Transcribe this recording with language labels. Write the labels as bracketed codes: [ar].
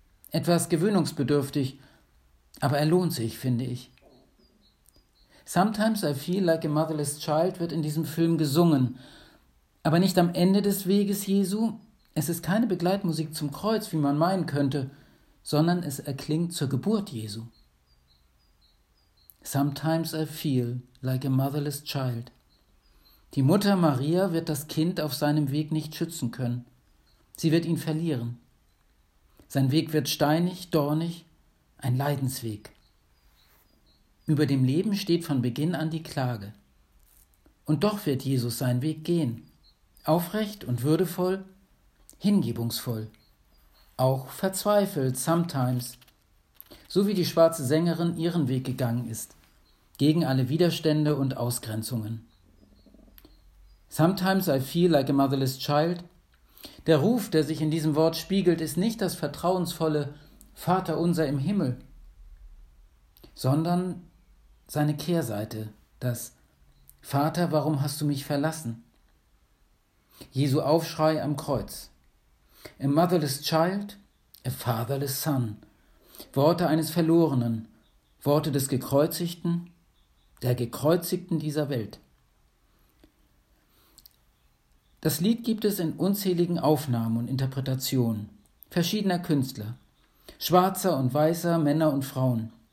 [de] Etwas gewöhnungsbedürftig, aber er lohnt sich, finde ich. [en] Sometimes I feel like a motherless child [de] wird in diesem Film gesungen, aber nicht am Ende des Weges Jesu. Es ist keine Begleitmusik zum Kreuz, wie man meinen könnte, sondern es erklingt zur Geburt Jesu. [en] Sometimes I feel like a motherless child. [de] Die Mutter Maria wird das Kind auf seinem Weg nicht schützen können. Sie wird ihn verlieren. Sein Weg wird steinig, dornig, ein Leidensweg. Über dem Leben steht von Beginn an die Klage. Und doch wird Jesus seinen Weg gehen, aufrecht und würdevoll, hingebungsvoll, auch verzweifelt, sometimes, so wie die schwarze Sängerin ihren Weg gegangen ist, gegen alle Widerstände und Ausgrenzungen. [en] Sometimes I feel like a motherless child. [de] Der Ruf, der sich in diesem Wort spiegelt, ist nicht das vertrauensvolle Vater unser im Himmel, sondern seine Kehrseite, das Vater, warum hast du mich verlassen? Jesu Aufschrei am Kreuz. [en] A motherless child, a fatherless son. [de] Worte eines Verlorenen, Worte des Gekreuzigten, der Gekreuzigten dieser Welt. Das Lied gibt es in unzähligen Aufnahmen und Interpretationen verschiedener Künstler, schwarzer und weißer, Männer und Frauen.